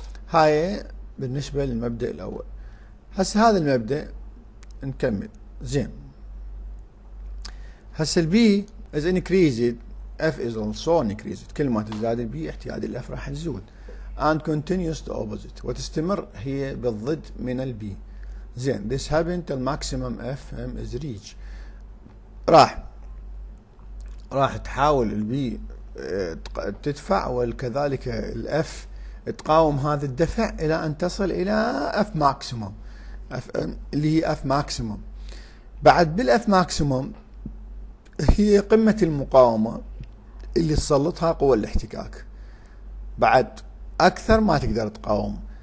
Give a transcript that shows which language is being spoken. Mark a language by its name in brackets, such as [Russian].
[Arabic] هاي بالنسبة للمبدأ الاول. هسه هذا المبدأ نكمل زين. هسه البي [English] is increased F is also increased، [Arabic] كل ما تزداد البي احتياج الاف راح يزود، [English] and continuous to opposite [Arabic] وتستمر هي بالضد من البي. [English] زين this happened till maximum Fm is reached. [Arabic] راح تحاول البي تدفع وكذلك الاف تقاوم هذا الدفع الى ان تصل الى اف ماكسيمم Fm اللي هي اف ماكسيمم. بعد بالاف ماكسيمم هي قمة المقاومة اللي تسلطها قوة الاحتكاك، بعد اكثر ما تقدر تقاوم.